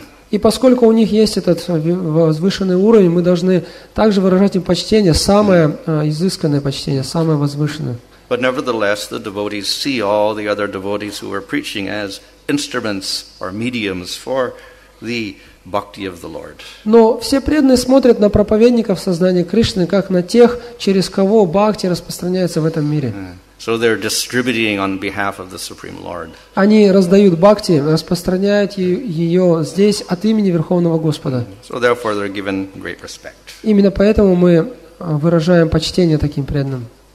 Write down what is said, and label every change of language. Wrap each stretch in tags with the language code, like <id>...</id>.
<ru>И поскольку у них есть этот возвышенный уровень, мы должны также выражать им почтение, самое изысканное почтение, самое возвышенное.</ru> <en>But nevertheless, the devotees see all the other devotees who are preaching as instruments or mediums for the bhakti of the Lord.</en> <ru>Но все преданные смотрят на проповедников сознания Кришны как на тех, через кого бхакти распространяется в этом мире.</ru> <en>So they're distributing on behalf of the Supreme Lord.</en> <ru>Они раздают бхакти, распространяют ее здесь от имени Верховного Господа.</ru> <en>So therefore they're given great respect.</en> <ru>Именно поэтому мы выражаем почтение таким преданным.</ru>